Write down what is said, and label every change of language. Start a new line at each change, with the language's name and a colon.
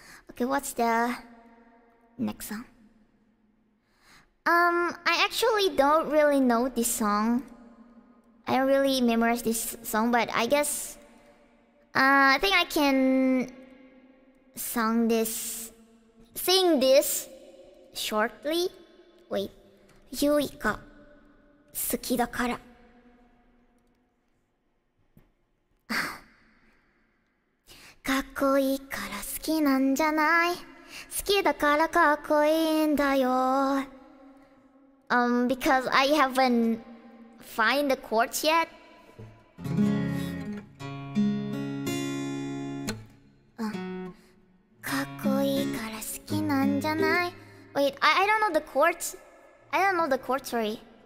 English: Okay, what's the next song? I actually don't really know this song. I don't really memorize this song, but I guess I think I can sing this shortly. Wait.
Japanese: Yuika 好きだから. かっこいいから好きなんじゃない? 好きだからかっこいいんだよ。
English: Because I haven't find the chords yet.
Japanese: かっこいいから好きなんじゃない?
English: Wait, I don't know the chords. I don't know the chords, sorry.